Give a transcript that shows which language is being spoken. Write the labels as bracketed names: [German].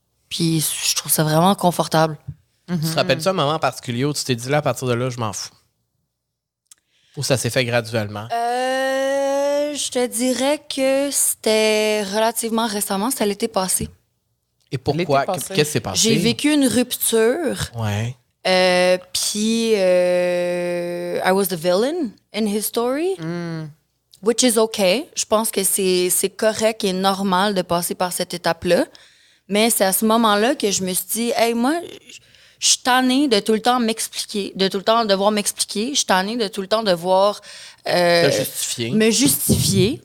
[French] Puis je trouve ça vraiment confortable. Mm-hmm. Tu te rappelles-tu un moment particulier où tu t'es dit là, à partir de là, je m'en fous? Ou ça s'est fait graduellement? Je te dirais que c'était relativement récemment, c'était l'été passé. Et pourquoi? Qu'est-ce qui s'est passé? J'ai vécu une rupture. Ouais. [English] Puis I was the villain in his story. Mm. Which is okay. [French] Je pense que c'est correct et normal de passer par cette étape-là. Mais c'est à ce moment-là que je me suis dit, hey, moi, je suis tannée de tout le temps m'expliquer, de tout le temps devoir m'expliquer, je suis tannée de tout le temps devoir me justifier.